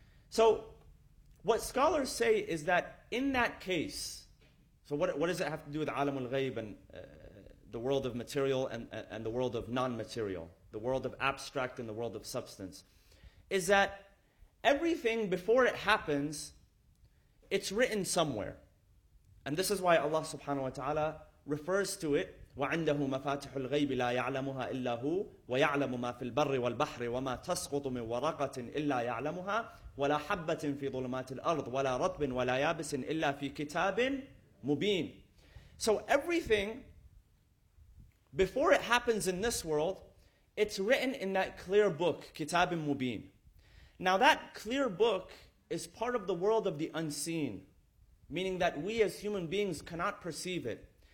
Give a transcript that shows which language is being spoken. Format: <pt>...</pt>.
<en>So what scholars say is that in that case, so what does it have to do with alam al-ghayb and the world of material and the world of non-material, the world of abstract and the world of substance, is that everything before it happens, it's written somewhere. And this is why Allah subhanahu wa ta'ala refers to it,</en> <ar>وَعِنْدَهُ مَفَاتِحُ الْغَيْبِ لَا يَعْلَمُهَا إِلَّا هُوَ وَيَعْلَمُ مَا فِي الْبَرِّ وَالْبَحْرِ وَمَا تَسْقُطُ مِنْ وَرَقَةٍ إِلَّا يَعْلَمُهَا وَلَا حَبَّةٍ فِي ظُلُمَاتِ الْأَرْضِ وَلَا رَطْبٍ وَلَا يَابِسٍ إِلَّا فِي كِتَابٍ مُبِينٍ.</ar> <en>So everything, before it happens in this world, it's written in that clear book,</en> <ar>كِتَابٍ مُبِينٍ.</ar> <en>Now that clear book is part of the world of the unseen, meaning that we as human beings cannot perceive it.</en>